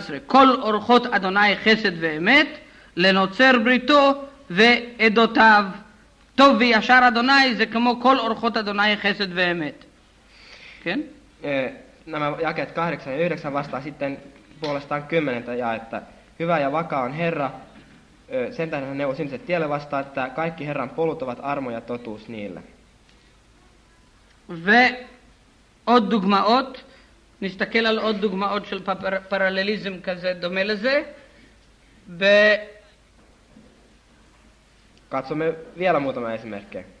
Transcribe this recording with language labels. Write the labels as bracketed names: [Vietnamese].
[Hebrew] כל אורחות אדוני חסד ואמת לנוצר בריתו ועדותיו. טוב וישר אדוני זה כמו כל אורחות אדוני חסד ואמת. כן? [Finnish] Nämä jakeet 8 ja 9 vastaa sitten puolestaan 10 ja että hyvä ja vakaa on Herra. Sen tähden hän neuvoo syntiset tielle vastaa, että kaikki Herran polut ovat armo ja totuus niille. [Hebrew] ועוד דוגמאות. נסתכל על עוד דוגמאות של פרלליזם כזה דומה לזה. [Finnish] Katsomme vielä muutama esimerkki.